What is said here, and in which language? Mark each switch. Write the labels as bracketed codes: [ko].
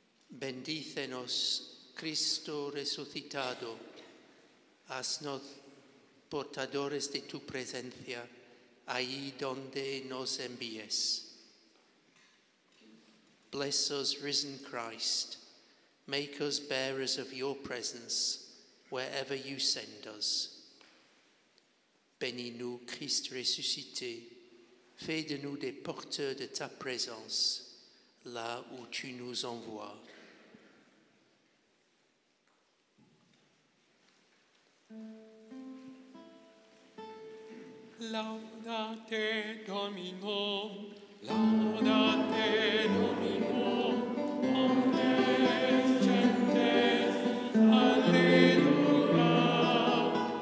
[es] Bendícenos, Cristo resucitado. Haznos portadores de tu presencia ahí donde nos envíes. [en] Bless us, risen Christ. Make us bearers of your presence wherever you send us. [fr] Bénis-nous, Christ ressuscité. Fais de nous des porteurs de ta présence là où tu nous envoies. [la] Laudate Domino, laudate Domino, omnes gentes, alleluia.